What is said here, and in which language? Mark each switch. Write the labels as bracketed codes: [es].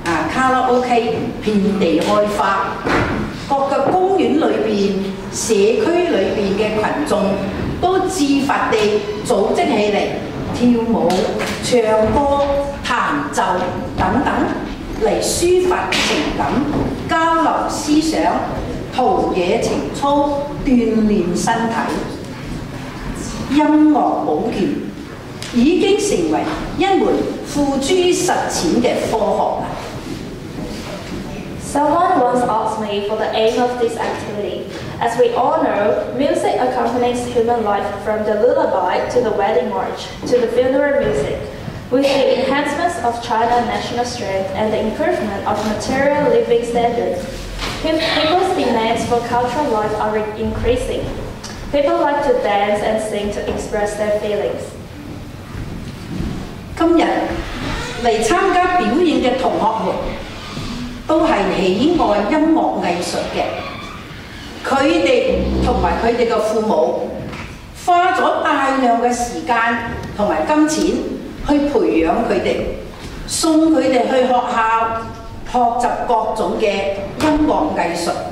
[zh] 卡拉 OK 遍地开花，各个公园里面、社区里面的群众都自发地组织起来跳舞、唱歌、弹奏等等，来抒发情感、交流思想、陶冶情操、锻炼身体。音乐舞剑已经成为一门付诸实践的科学。 [en] Someone once asked me for the aim of this activity. As we all know, music accompanies human life from the lullaby to the wedding march to the funeral music. With the enhancements of China's national strength and the improvement of material living standards, people's demands for cultural life are increasing. People like to dance and sing to express their feelings. [zh] 今日来参加表演的同学们都是喜爱音乐艺术的，他们和他们的父母花了大量的时间和金钱去培养他们，送他们去学校学习各种的音乐艺术。